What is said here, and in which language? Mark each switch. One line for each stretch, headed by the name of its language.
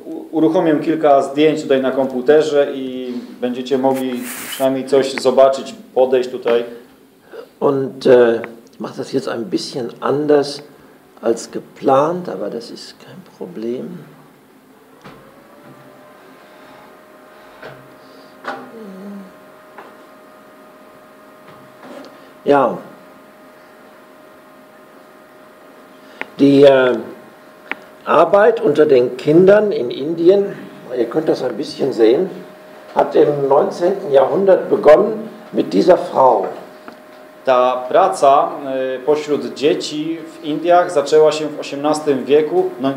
Polish: Uruchomię kilka zdjęć tutaj na komputerze i będziecie mogli przynajmniej coś zobaczyć, podejść tutaj.
German: Und ich mache das jetzt ein bisschen anders als geplant, aber das ist kein Problem. Ja. Die Arbeit unter den Kindern in Indien, ihr könnt das ein bisschen sehen, hat im 19. Jahrhundert begonnen mit dieser Frau.
Polish: Ta praca pośród dzieci w Indiach zaczęła się w XVIII wieku,